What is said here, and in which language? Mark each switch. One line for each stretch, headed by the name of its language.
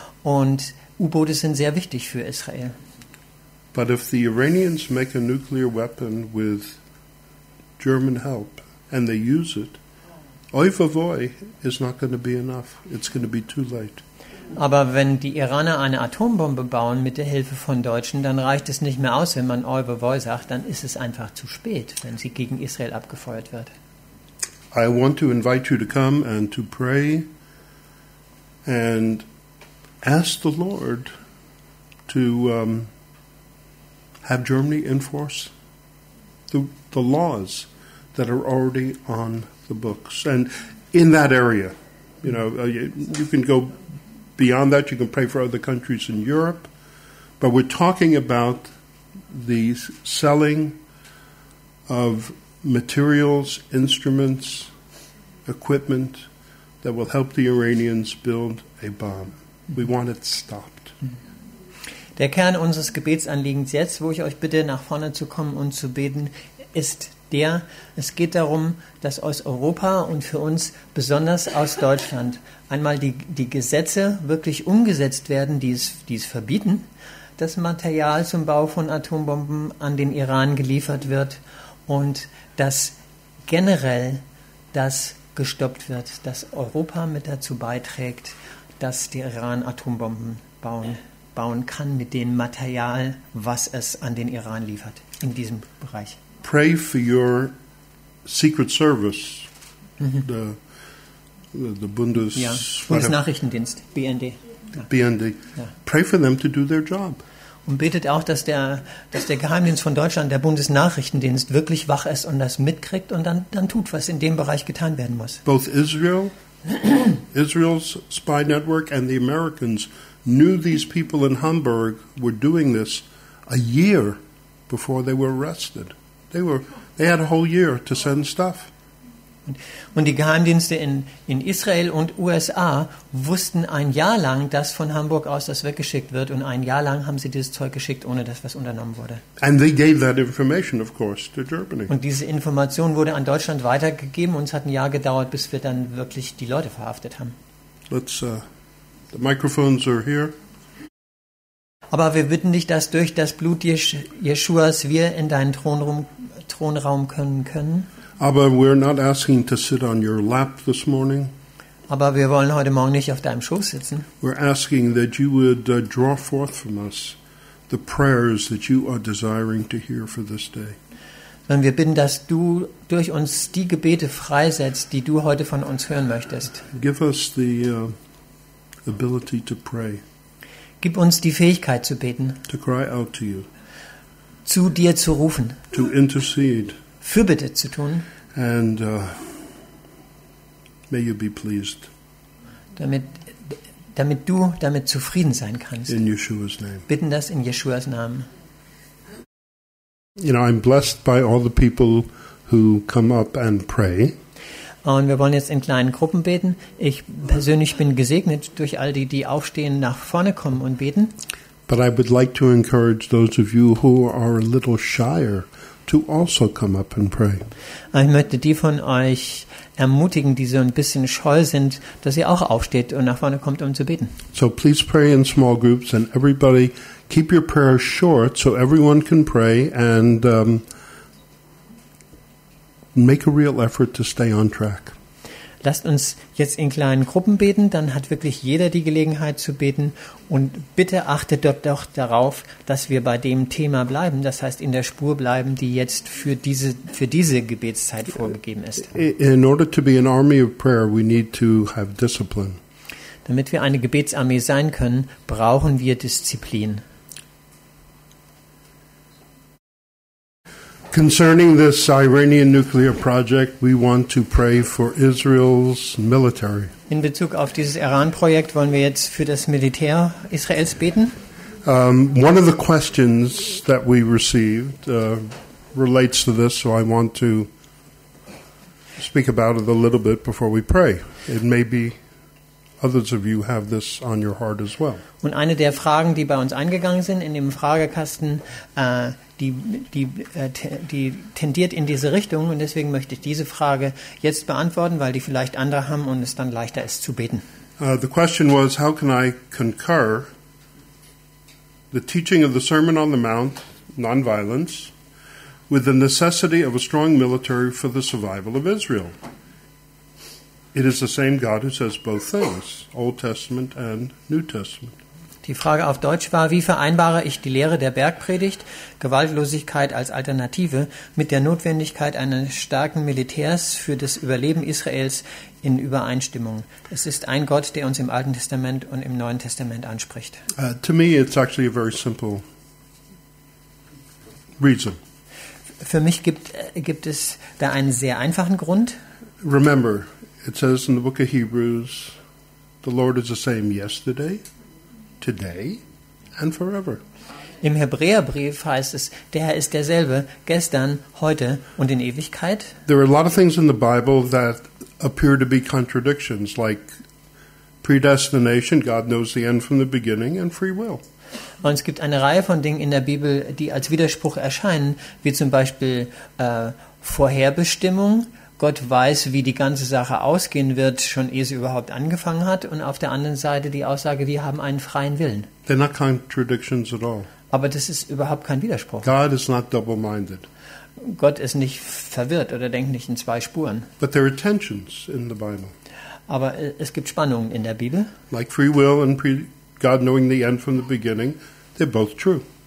German: Und U-Boote sind sehr wichtig für Israel.
English: But if the Iranians make a nuclear weapon with German help and they use it, oi vavoi is not going to be enough. It's going to be too late.
German: Aber wenn die Iraner eine Atombombe bauen mit der Hilfe von Deutschen, dann reicht es nicht mehr aus, wenn man oi vavoi sagt, dann ist es einfach zu spät, wenn sie gegen Israel abgefeuert wird.
English: I want to invite you to come and to pray and ask the Lord to have Germany enforce the laws that are already on the books. And in that area, you know, you can go beyond that, you can pray for other countries in Europe, but we're talking about the selling of materials, instruments, equipment that will help the Iranians build a bomb. We want it stopped.
German: Der Kern unseres Gebetsanliegens jetzt, wo ich euch bitte, nach vorne zu kommen und zu beten, ist der, es geht darum, dass aus Europa und für uns besonders aus Deutschland einmal die Gesetze wirklich umgesetzt werden, die es verbieten, dass Material zum Bau von Atombomben an den Iran geliefert wird und dass generell das gestoppt wird, dass Europa mit dazu beiträgt, dass der Iran Atombomben bauen kann mit dem Material, was es an den Iran liefert in diesem Bereich.
English: Pray for your secret service, the Bundes,
German: Bundesnachrichtendienst, BND. BND. Ja.
English: Pray for them to do their job.
German: Und betet auch, dass der Geheimdienst von Deutschland, der Bundesnachrichtendienst, wirklich wach ist und das mitkriegt und dann tut, was in dem Bereich getan werden muss.
English: Both Israel's spy network and the Americans knew these people in Hamburg were doing this a year before they were arrested. They had a whole year to send stuff.
German: Und die Geheimdienste in Israel und USA wussten ein Jahr lang, dass von Hamburg aus das weggeschickt wird, und ein Jahr lang haben sie dieses Zeug geschickt, ohne dass was unternommen wurde.
English: And they gave that information, of course, to Germany.
German: Und diese Information wurde an Deutschland weitergegeben, und es hat ein Jahr gedauert, bis wir dann wirklich die Leute verhaftet haben.
English: The microphones are here.
German: Aber wir bitten dich, dass durch das Blut Jeschuas wir in deinen Thronraum können. Aber
English: we're not asking to sit on your lap this morning.
German: Aber wir wollen heute Morgen nicht auf deinem Schoß sitzen.
English: We're asking that you would draw forth from us the prayers that you are desiring to hear for this day.
German: Sondern wir bitten, dass du durch uns die Gebete freisetzt, die du heute von uns hören möchtest.
English: Give us the ability to pray.
German: Gib uns die Fähigkeit zu beten.
English: To cry out to you.
German: Zu dir zu rufen.
English: To intercede.
German: Fürbitte zu tun.
English: And may you be pleased.
German: Damit du damit zufrieden sein kannst.
English: In Yeshua's name.
German: Bitten das in Yeshuas Namen.
English: You know, I'm blessed by all the people who come up and pray.
German: Und wir wollen jetzt in kleinen Gruppen beten. Ich persönlich bin gesegnet durch all die, die aufstehen, nach vorne kommen und beten.
English: But I would like to encourage those of you who are a little shyer to also come up and pray.
German: Ich möchte die von euch ermutigen, die so ein bisschen scheu sind, dass ihr auch aufsteht und nach vorne kommt, um zu beten.
English: So please pray in small groups, and everybody keep your prayer short so everyone can pray, and make a real effort to stay on track.
German: Lasst uns jetzt in kleinen Gruppen beten, dann hat wirklich jeder die Gelegenheit zu beten, und bitte achtet doch darauf, dass wir bei dem Thema bleiben, das heißt in der Spur bleiben, die jetzt für diese Gebetszeit vorgegeben ist.
English: In order to be an army of prayer, we need to have discipline.
German: Damit wir eine Gebetsarmee sein können, brauchen wir Disziplin.
English: Concerning this Iranian nuclear project, we want to pray for Israel's military.
German: In Bezug auf dieses Iran-Projekt wollen wir jetzt für das Militär Israels beten.
English: One of the questions that we received relates to this, so I want to speak about it a little bit before we pray. It may be others of you have this on your heart as well.
German: Und eine der Fragen, die bei uns eingegangen sind in dem Fragekasten, die tendiert in diese Richtung, und deswegen möchte ich diese Frage jetzt beantworten, weil die vielleicht andere haben und es dann leichter ist zu beten.
English: The question was, how can I concur the teaching of the Sermon on the Mount, nonviolence, with the necessity of a strong military for the survival of Israel? It is the same God who says both things, Old Testament and New Testament.
German: Die Frage auf Deutsch war, wie vereinbare ich die Lehre der Bergpredigt, Gewaltlosigkeit als Alternative, mit der Notwendigkeit eines starken Militärs für das Überleben Israels in Übereinstimmung? Es ist ein Gott, der uns im Alten Testament und im Neuen Testament anspricht.
English: To me it's actually a very simple reason.
German: Für mich gibt es da einen sehr einfachen Grund.
English: Remember, it says in the book of Hebrews, the Lord is the same yesterday, today and forever.
German: Im Hebräerbrief heißt es, der Herr ist derselbe gestern, heute und in Ewigkeit.
English: There are a lot of things in the Bible that appear to be contradictions, like predestination, God knows the end from the beginning, and free will.
German: Und es gibt eine Reihe von Dingen in der Bibel, die als Widerspruch erscheinen, wie zum Beispiel Vorherbestimmung. Gott weiß, wie die ganze Sache ausgehen wird, schon ehe sie überhaupt angefangen hat. Und auf der anderen Seite die Aussage, wir haben einen freien Willen.
English: They're not contradictions at all.
German: Aber das ist überhaupt kein Widerspruch.
English: God is not double-minded.
German: Gott ist nicht verwirrt oder denkt nicht in zwei Spuren.
English: But there are tensions in the Bible.
German: Aber es gibt Spannungen in der Bibel.
English: Like free will and God knowing the end from the beginning, they're both true.